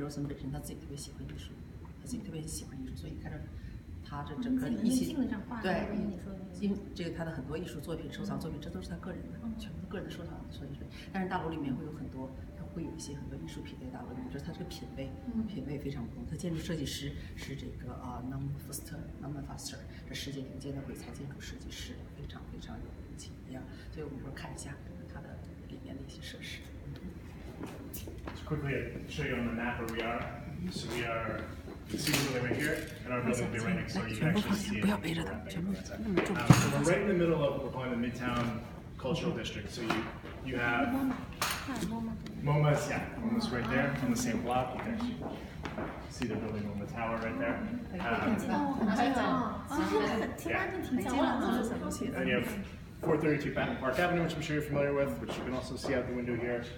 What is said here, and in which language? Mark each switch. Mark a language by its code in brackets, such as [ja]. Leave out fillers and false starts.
[zh] Rosen 本身他自己特别喜欢艺术，他自己特别喜欢艺术，所以他这他的整个艺术，对，因这个他的很多艺术作品、收藏作品，这都是他个人的，全部个人的收藏。所以说，但是大楼里面会有很多他会有一些很多艺术品在大楼里面，就是他这个品味非常不同。他建筑设计师是这个Norman Foster，这世界顶尖的鬼才建筑设计师，非常非常有名气。所以我们看一下它的里面的一些设施。 [en] Just quickly show you on the map where we are. So we are seated really right here, and our building will be right next door. You can actually see it. [zh] 不要背着的，全部那么重。 [en] So we're right in the middle of what we're calling the Midtown Cultural District. So you have MoMA's right there on the same block. You can actually see the building on the tower right there. And you have 432 Park Avenue, which I'm sure you're familiar with, which you can also see out the window here.